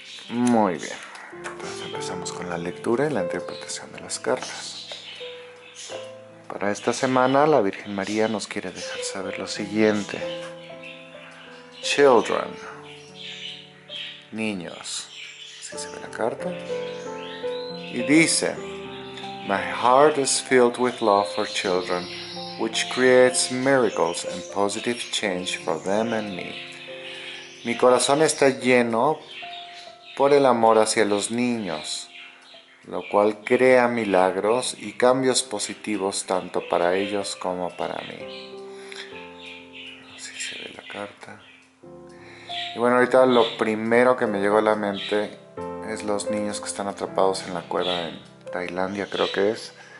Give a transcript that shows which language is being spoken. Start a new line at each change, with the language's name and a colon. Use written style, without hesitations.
Spanish: Muy bien. Empezamos con la lectura y la interpretación de las cartas. Para esta semana, la Virgen María nos quiere dejar saber lo siguiente. Children, niños, así se ve la carta. Y dice,
English: my heart is filled with love for children, which creates miracles and positive change for them and me.
Spanish: Mi corazón está lleno por el amor hacia los niños, lo cual crea milagros y cambios positivos tanto para ellos como para mí. Así se ve la carta. Y bueno, ahorita lo primero que me llegó a la mente es los niños que están atrapados en la cueva en Tailandia, creo que es.